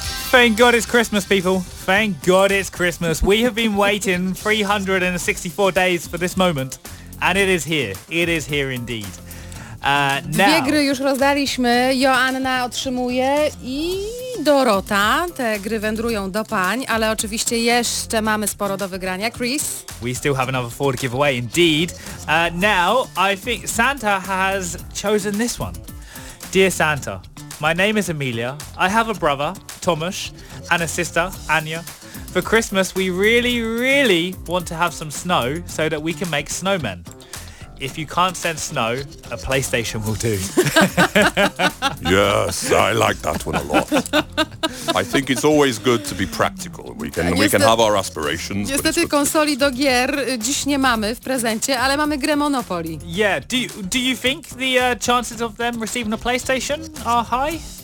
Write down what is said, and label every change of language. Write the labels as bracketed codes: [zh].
[en] Thank God it's Christmas, people. Thank God it's Christmas. We have been waiting 364 days for this moment, and it is here. It is here indeed. [pl] Dwie gry już rozdaliśmy. Joanna otrzymuje i Dorota. Te gry wędrują do pań, ale oczywiście jeszcze mamy sporo do wygrania. Chris? [en] We still have another 4 to give away, indeed. Now, I think Santa has chosen this one. Dear Santa, my name is Amelia. I have a brother, Tomasz, and a sister, Anya. For Christmas, we really, really want to have some snow so that we can make snowmen. If you can't send snow, a PlayStation will do. Yes, I like that one a lot. I think it's always good to be practical. We can have our aspirations. [pl] Niestety konsoli do gier dziś nie mamy w prezencie, ale mamy grę Monopoly. [en] Yeah, do you think the chances of them receiving a PlayStation are high?